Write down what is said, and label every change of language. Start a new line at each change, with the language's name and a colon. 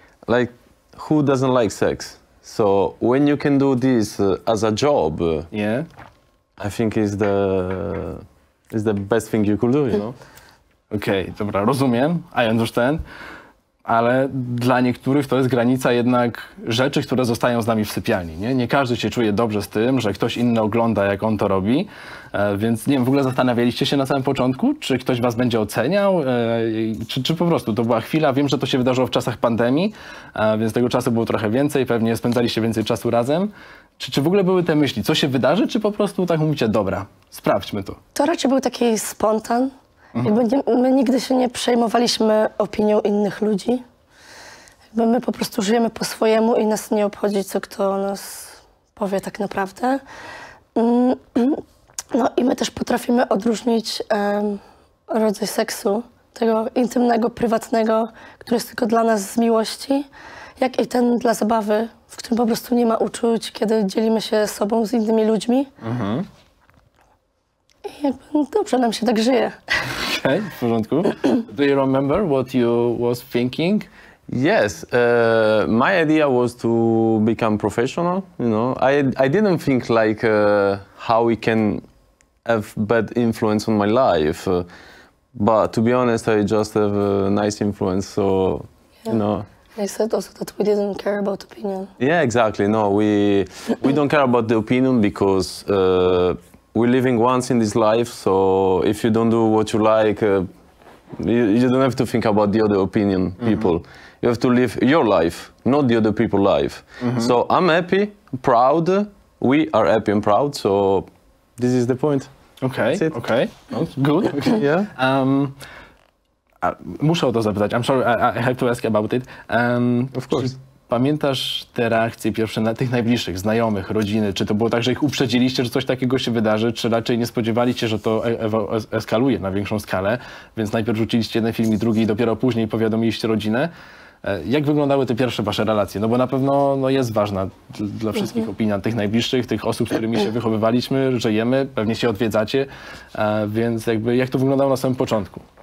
English: Like, who doesn't like sex? So when you can do this as a job, yeah, I think is the best thing you could do, you know?
Polish: Okej, okay, dobra, rozumiem,
English: I understand.
Polish: Ale dla niektórych to jest granica jednak rzeczy, które zostają z nami w sypialni, nie? Nie każdy się czuje dobrze z tym, że ktoś inny ogląda, jak on to robi. Więc nie wiem, w ogóle zastanawialiście się na samym początku, czy ktoś was będzie oceniał, czy po prostu to była chwila. Wiem, że to się wydarzyło w czasach pandemii, więc tego czasu było trochę więcej, pewnie spędzaliście więcej czasu razem. Czy w ogóle były te myśli, co się wydarzy, czy po prostu tak mówicie, dobra, sprawdźmy to? To raczej był taki spontan. My nigdy się nie przejmowaliśmy opinią innych ludzi. My po prostu żyjemy po swojemu i nas nie obchodzi, co kto o nas powie tak naprawdę. No i my też potrafimy odróżnić rodzaj seksu, tego intymnego, prywatnego, który jest tylko dla nas z miłości, jak i ten dla zabawy, w którym po prostu nie ma uczuć, kiedy dzielimy się sobą z innymi ludźmi. Mhm. I jakby dobrze nam się tak żyje. Okay, w porządku.
English: Do you remember what you was thinking? Yes, my idea was to become professional, you know. I didn't think like how it can have bad influence on my life. But to be honest, I just have a nice influence, so, yeah. You know. I said also that we didn't care about opinion. Yeah, exactly. No, we don't care about the opinion because we're living once in this life, so if you don't do what you like, you don't have to think about the other opinion, mm-hmm, people. You have to live your life, not the other people's life. Mm-hmm. So I'm happy, proud, we are happy and proud, so this is the point. Okay, that's it. Okay, no, good. Okay. Yeah.
Polish: Muszę o to zapytać,
English: I'm sorry, I have to ask about it. Of course.
Polish: Pamiętasz te reakcje pierwsze na tych najbliższych, znajomych, rodziny? Czy to było tak, że ich uprzedziliście, że coś takiego się wydarzy, czy raczej nie spodziewaliście, że to eskaluje na większą skalę, więc najpierw rzuciliście jeden film i drugi i dopiero później powiadomiliście rodzinę? Jak wyglądały te pierwsze wasze relacje? No bo na pewno jest ważna dla wszystkich opinia tych najbliższych, tych osób, z którymi się wychowywaliśmy, żyjemy, pewnie się odwiedzacie, więc jakby jak to wyglądało na samym początku?